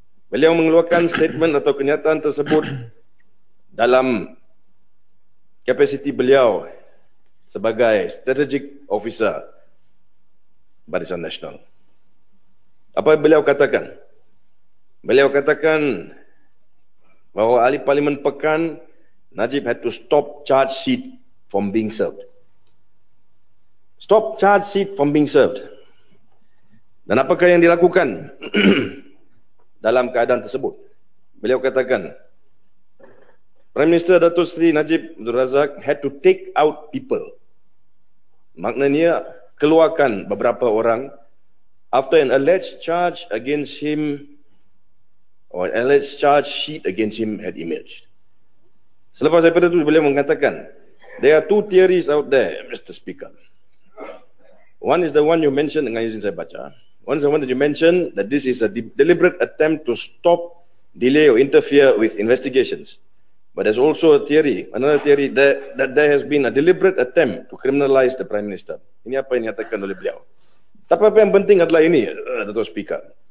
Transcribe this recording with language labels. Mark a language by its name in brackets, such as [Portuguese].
[Malay] Beliau mengeluarkan statement atau kenyataan tersebut dalam kapasiti beliau sebagai Strategic Officer Barisan Nasional. Apa yang beliau katakan? Beliau katakan bahawa Ahli Parlimen Pekan, [English] Najib had to stop charge sheet from being served. Stop charge sheet from being served. [Malay] Dan apakah yang dilakukan dalam keadaan tersebut? Beliau katakan, [English] Prime Minister Dato' Sri Najib Abdul Razak had to take out people. [Malay] Maknanya, keluarkan beberapa orang [English] after an alleged charge against him or an alleged charge sheet against him had emerged. [Malay] Selepas daripada itu, beliau mengatakan, [English] there are two theories out there, Mr. Speaker. One is the one you mentioned, [Malay] dengan izin saya baca. [English] One is the one that you mentioned, that this is a deliberate attempt to stop, delay or interfere with investigations. But there's also a theory, another theory, that there has been a deliberate attempt to criminalize the Prime Minister. [Malay] Ini apa yang dinyatakan oleh beliau. Tapi apa yang penting adalah ini, Dato' Speaker.